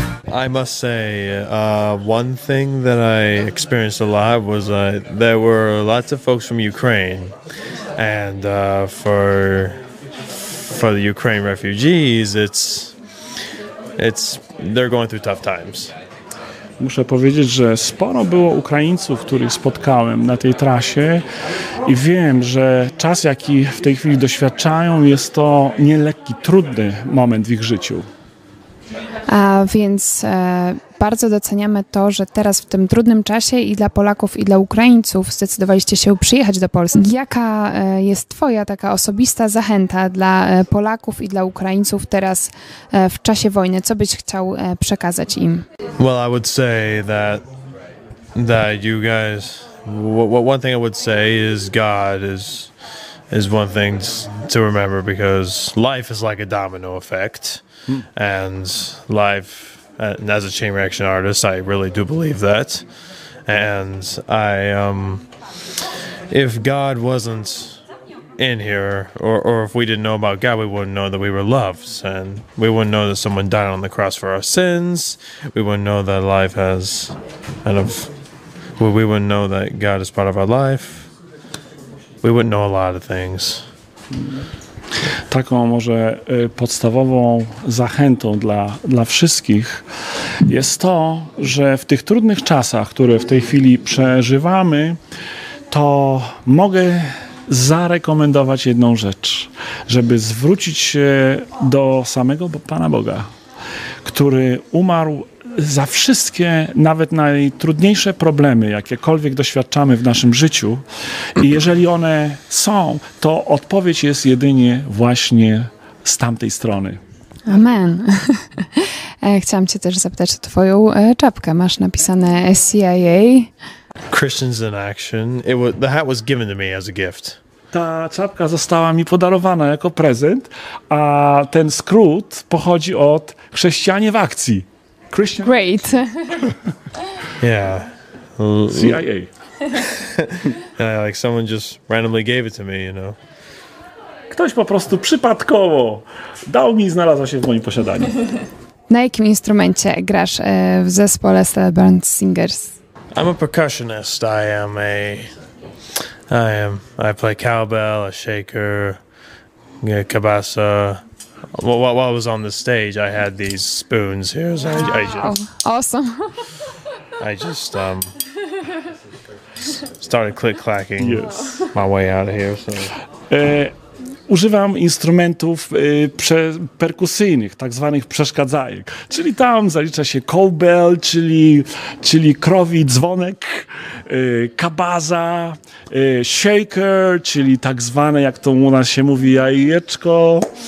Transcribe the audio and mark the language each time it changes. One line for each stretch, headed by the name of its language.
English: I must say, one thing that I experienced a lot was that there were lots of folks from Ukraine, and for the Ukraine refugees, it's they're going through tough times.
Polish: Muszę powiedzieć, że sporo było Ukraińców, których spotkałem na tej trasie i wiem, że czas, jaki w tej chwili doświadczają, jest to nielekki, trudny moment w ich życiu. A więc bardzo doceniamy to, że teraz w tym trudnym czasie i dla Polaków, i dla Ukraińców zdecydowaliście się przyjechać do Polski. Jaka jest twoja taka osobista zachęta dla Polaków i dla Ukraińców teraz w czasie wojny? Co byś chciał przekazać im?
English: Well, I would say that you guys, one thing I would say is God is one thing to remember, because life is like a domino effect. And life, as a chain reaction artist, I really do believe that. And I, if God wasn't in here, or if we didn't know about God, we wouldn't know that we were loved, and we wouldn't know that someone died on the cross for our sins. We wouldn't know that life has kind of, we wouldn't know that God is part of our life. We wouldn't know a lot of things.
Polish: Taką może podstawową zachętą dla wszystkich jest to, że w tych trudnych czasach, które w tej chwili przeżywamy, to mogę zarekomendować jedną rzecz, żeby zwrócić się do samego Pana Boga, który umarł za wszystkie, nawet najtrudniejsze problemy, jakiekolwiek doświadczamy w naszym życiu. I jeżeli one są, to odpowiedź jest jedynie właśnie z tamtej strony. Amen. Chciałam cię też zapytać o twoją czapkę. Masz napisane CIA.
English: Christians in Action. It was, the hat was given to me as a gift.
Polish: Ta czapka została mi podarowana jako prezent, a ten skrót pochodzi od Chrześcijanie w akcji.
English: Christian. Great. Yeah. CIA. Yeah, like someone just randomly gave it to me, you know.
Polish: Ktoś po prostu przypadkowo dał mi i znalazła się w moim posiadaniu. Na jakim instrumencie grasz w zespole Celebrant Singers?
English: I'm a percussionist. I play cowbell, a shaker, cabasa. While I was on the stage, I had these spoons here. So wow. Awesome. I just started click-clacking my way out of here. So.
Polish: Używam instrumentów perkusyjnych, tak zwanych przeszkadzajek. Czyli tam zalicza się cowbell, czyli krowi dzwonek, kabaza, shaker, czyli tak zwane, jak to u nas się mówi, jajeczko.